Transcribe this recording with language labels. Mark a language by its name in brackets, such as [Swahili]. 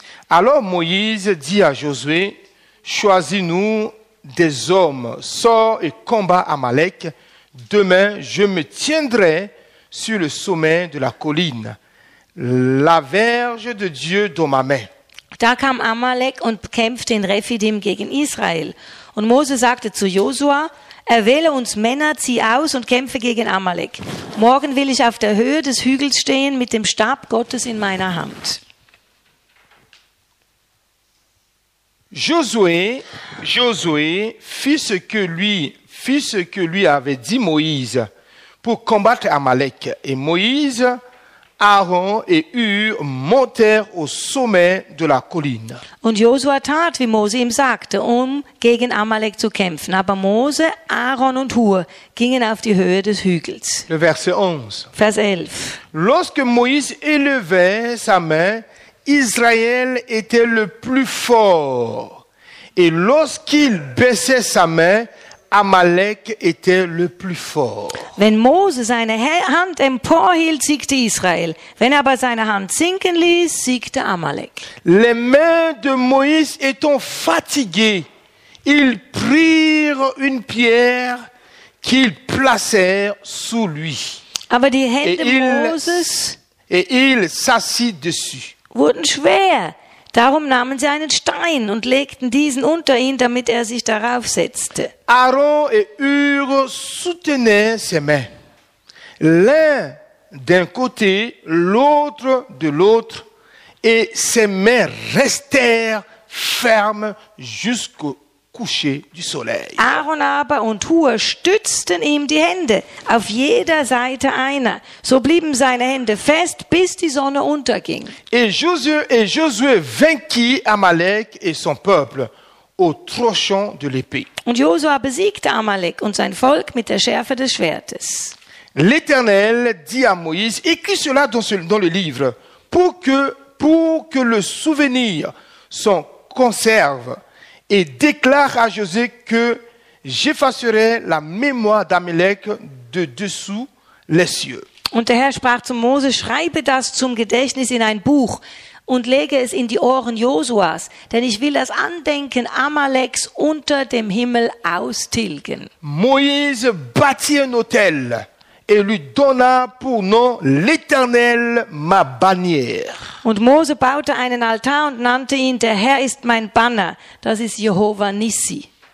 [French] Alors Moïse dit à Josué, choisis-nous des hommes, sors et combat Amalek. Demain, je me tiendrai sur le sommet de la colline, la verge de Dieu dans ma main. [German] Da kam Amalek und kämpfte in Rephidim gegen Israel. Und Mose sagte zu Josua, erwähle uns Männer, zieh aus und kämpfe gegen Amalek. Morgen will ich auf der Höhe des Hügels stehen mit dem Stab Gottes in meiner Hand. [French] Josué fit ce que lui avait dit Moïse pour combattre Amalek. Et Moïse, Aaron et Hur montèrent au sommet de la colline. [German] Und Josua tat, wie Mose ihm sagte, gegen Amalek zu kämpfen. Aber Mose, Aaron und Hur gingen auf die Höhe des Hügels. [French] Le verset 11. [German] Vers 11. [French] Lorsque Moïse élevait sa main, Israël était le plus fort. Et lorsqu'il baissait sa main, Amalek était le plus fort. [German] Wenn Mose seine Hand emporhielt, siegte Israel. Wenn er aber seine Hand sinken ließ, siegte Amalek. [French] Les mains de Moïse étant fatiguées, ils prirent une pierre qu'ils placèrent sous lui. [German] Aber die Hände Moses [French] et il s'assit dessus. [German] Wurden schwer. Darum nahmen sie einen Stein und legten diesen unter ihn, damit er sich darauf setzte. [French] Aaron et Hur soutenaient ses mains, l'un d'un côté, l'autre de l'autre, et ses mains restèrent fermes jusqu'au coucher du soleil. [German] Aaron aber und Hur stützten ihm die Hände, auf jeder Seite einer. So blieben seine Hände fest, bis die Sonne unterging. [French] Et Josué vainquit Amalek et son peuple au tranchant de l'épée. [German] Und Josua besiegte Amalek und sein Volk mit der Schärfe des Schwertes. [French] L'Éternel dit à Moïse, écris cela dans le livre, pour que pour que le souvenir s'en conserve et déclare à José que j'effacerai la mémoire d'Amalek de dessous les cieux. [German] Und der Herr sprach zu Mose, schreibe das zum Gedächtnis in ein Buch und lege es in die Ohren Josuas, denn ich will das Andenken Amaleks unter dem Himmel austilgen. [French] Moïse bâtit un autel et lui donna pour nom l'Éternel ma bannière. [German] Und Mose baute einen Altar und nannte ihn, der Herr ist mein Banner, das ist Jehovah Nissi.